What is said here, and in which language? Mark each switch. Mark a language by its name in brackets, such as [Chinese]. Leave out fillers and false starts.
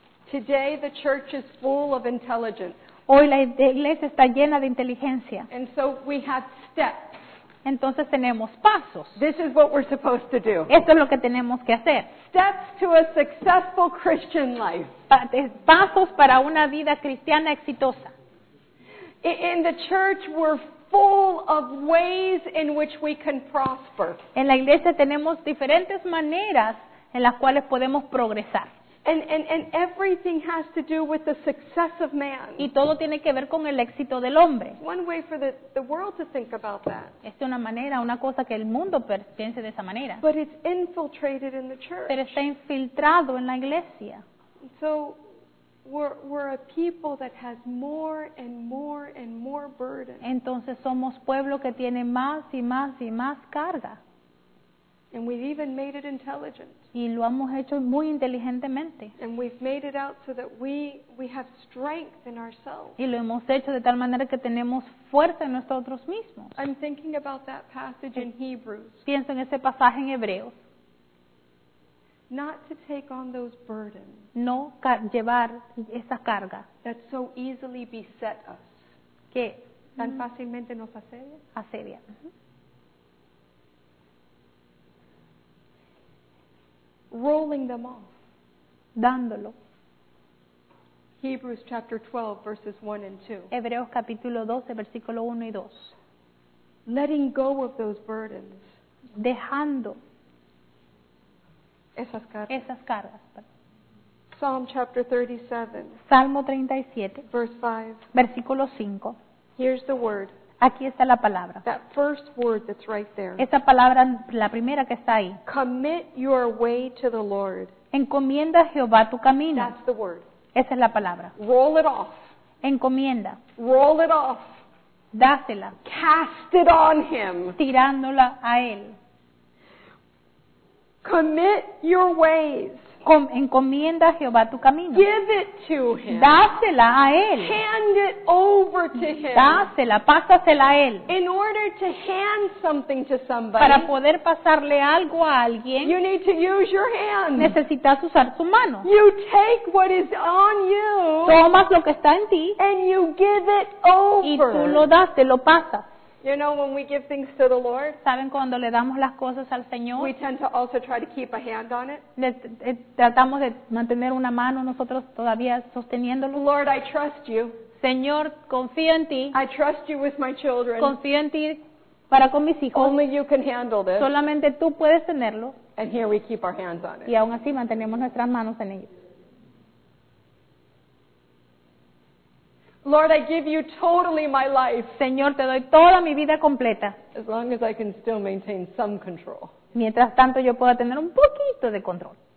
[English] Today the church is full of intelligence. [Spanish] Hoy la iglesia está llena de inteligencia. [English] And so we have steps. [Spanish] Entonces tenemos pasos. [English] This is what we're supposed to do. [Spanish] Esto es lo que tenemos que hacer. [English] Steps to a successful Christian life. [Spanish] Pasos para una vida cristiana exitosa. [English] In the church we're full of ways in which we can prosper. [Spanish] En la iglesia tenemos diferentes maneras en las cuales podemos progresar. [English] And everything has to do with the success of man. [Spanish] Y todo tiene que ver con el éxito del hombre. [English] One way for the world to think about that. [Spanish] Es una manera, una cosa que el mundo piense de esa manera. [English] But it's infiltrated in the church. [Spanish] Pero está infiltrado en la iglesia. [English] So we're a people that has more and more and more burden. [Spanish] Entonces somos pueblo que tiene más y más y más carga. [English] And we've even made it intelligent. [Spanish] Y lo hemos hecho muy inteligentemente. [English] And we've made it out so that we have strength in ourselves. [Spanish] Y lo hemos hecho de tal manera que tenemos fuerza en nosotros mismos. [English] I'm thinking about that passage in Hebrews. [Spanish] Pienso en ese pasaje en Hebreos. [English] Not to take on those burdens. [Spanish] No llevar esa carga. [English] That so easily beset us. [Spanish] Que tan fácilmente nos asedia. Asedia. [English] rolling them off. [Spanish] Dándolo. [English] Hebrews chapter 12, verses 1 and 2. [Spanish] Hebreos capítulo 12, versículo 1 y 2. [English] Letting go of those burdens. [Spanish] Dejando esas cargas. Esas cargas. [English] Psalm chapter 37. [Spanish] Salmo 37. [English] Verse 5. [Spanish] Versículo 5. [English] Here's the word. [Spanish] Aquí está la palabra. [English] That first word that's right there. [Spanish] Esa palabra, la primera que está ahí. [English] Commit your way to the Lord. [Spanish] Encomienda a Jehová tu camino. [English] That's the word. [Spanish] Esa es la palabra. [English] Roll it off. [Spanish] Encomienda. [English] Roll it off. [Spanish] Dásela. [English] Cast it on him. [Spanish] Tirándola a él. [English] Commit your ways. [Spanish] Encomienda a Jehová tu camino. [English] Give it to him. [Spanish] Dásela a él. [English] Hand it over to him. [Spanish] Dásela, pásasela a él. [English] In order to hand something to somebody, [Spanish] para poder pasarle algo a alguien, [English] you need to use your hand. [Spanish] Necesitas usar tu mano. [English] You take what is on you. [Spanish] Tomas lo que está en ti. [English] And you give it over. [Spanish] Y tú lo das, te lo pasas. [English] You know, when we give things to the Lord, [Spanish] ¿saben cuando le damos las cosas al Señor? [English] We tend to also try to keep a hand on it. [Spanish] Tratamos de mantener una mano nosotros todavía sosteniéndolo. [English] Lord, I trust you. [Spanish] Señor, confío en ti. [English] I trust you with my children. [Spanish] Confío en ti para con mis hijos. [English] Only you can handle this. [Spanish] Solamente tú puedes tenerlo. [English] And here we keep our hands on it. [Spanish] Y aún así mantenemos nuestras manos en ello. [English] Lord, I give you totally my life. [Spanish] Señor, te doy toda mi vida completa. [English] As long as I can still maintain some control. [Spanish] Mientras tanto, yo pueda tener un poquito de control.